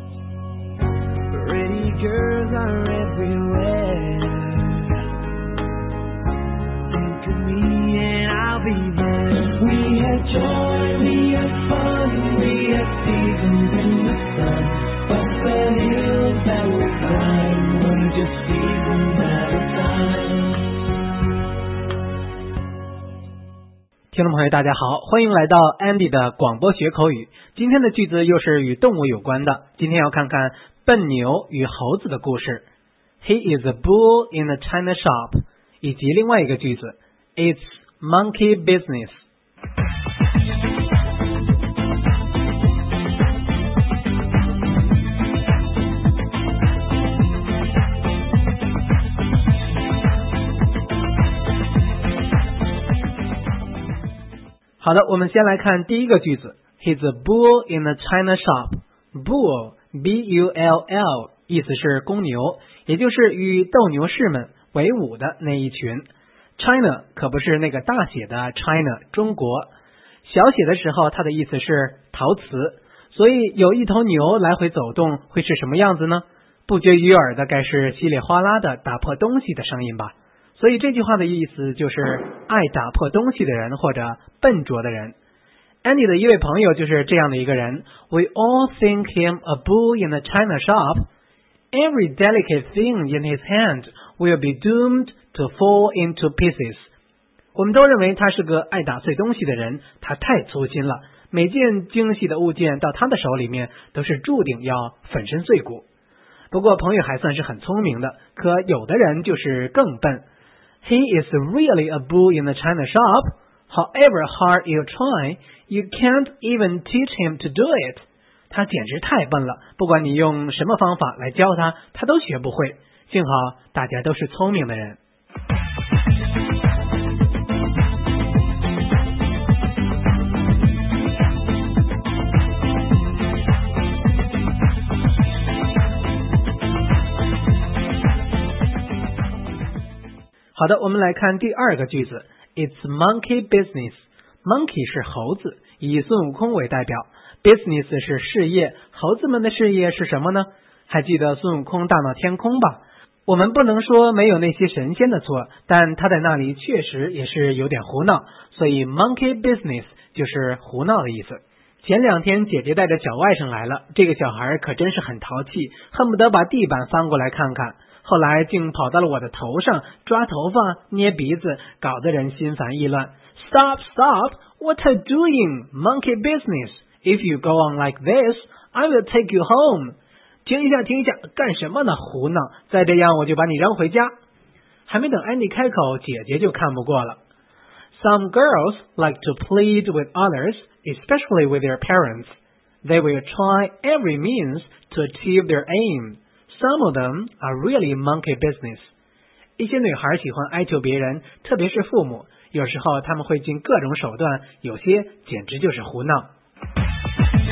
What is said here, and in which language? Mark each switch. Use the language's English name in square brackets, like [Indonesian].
[English] Think of me and I'll be there. We had joy, we had fun, we had seasons in the sun. But the hills that we climbed were just seasons at a time. [Chinese] 听众朋友大家好，欢迎来到 Andy 的广播学口语。今天的句子又是与动物有关的，今天要看看笨牛与猴子的故事。 [English] He is a bull in a china shop， [Chinese] 以及另外一个句子 [English] It's monkey business。 [Chinese] 好的，我们先来看第一个句子。 [English] He's a bull in a china shop. [Chinese] Bull, B-U-L-L, 意思是公牛，也就是与斗牛士们为伍的那一群。 China 可不是那个大写的 China, 中国。小写的时候它的意思是陶瓷，所以有一头牛来回走动会是什么样子呢？不绝于耳的该是稀里哗啦的打破东西的声音吧。所以这句话的意思就是爱打破东西的人或者笨拙的人。 Andy 的一位朋友就是这样的一个人。 [English] We all think him a bull in a china shop. Every delicate thing in his hand will be doomed to fall into pieces. [Chinese] 我们都认为他是个爱打碎东西的人，他太粗心了，每件精细的物件到他的手里面都是注定要粉身碎骨。不过朋友还算是很聪明的，可有的人就是更笨。 [English] He is really a bull in the china shop. However hard you try, you can't even teach him to do it. [Chinese] 他简直太笨了，不管你用什么方法来教他，他都学不会。幸好大家都是聪明的人。好的，我们来看第二个句子。 [English] It's monkey business. [Chinese] Monkey 是猴子，以孙悟空为代表。Business 是事业，猴子们的事业是什么呢？还记得孙悟空大闹天空吧？我们不能说没有那些神仙的错，但他在那里确实也是有点胡闹，所以 monkey business 就是胡闹的意思。前两天姐姐带着小外甥来了，这个小孩可真是很淘气，恨不得把地板翻过来看看，后来竟跑到了我的头上，抓头发，捏鼻子，搞得人心烦意乱。 [English] Stop, stop, what are you doing? Monkey business. If you go on like this, I will take you home. [Chinese] 停一下，停一下，干什么呢？胡闹，再这样我就把你扔回家。还没等 Andy 开口，姐姐就看不过了。 [English] Some girls like to plead with others, especially with their parents. They will try every means to achieve their aim. Some of them are really monkey business. [Chinese] 一些女孩喜欢哀求别人，特别是父母，有时候他们会尽各种手段，有些简直就是胡闹。